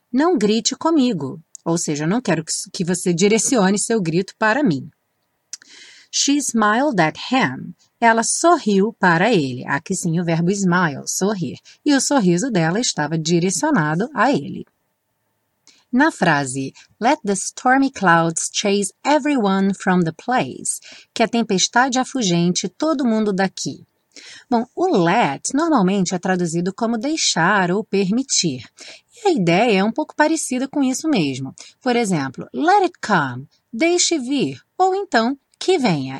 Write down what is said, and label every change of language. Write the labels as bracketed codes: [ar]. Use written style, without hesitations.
[pt] Não grite comigo. Ou seja, eu não quero que você direcione seu grito para mim. [en] She smiled at him. [pt] Ela sorriu para ele. Aqui sim o verbo smile, sorrir. E o sorriso dela estava direcionado a ele. Na frase, [en] let the stormy clouds chase everyone from the place. [pt] Que a tempestade afugente todo mundo daqui. Bom, o let normalmente é traduzido como deixar ou permitir. E a ideia é um pouco parecida com isso mesmo. Por exemplo, [en] let it come, [pt] deixe vir, ou então que venha.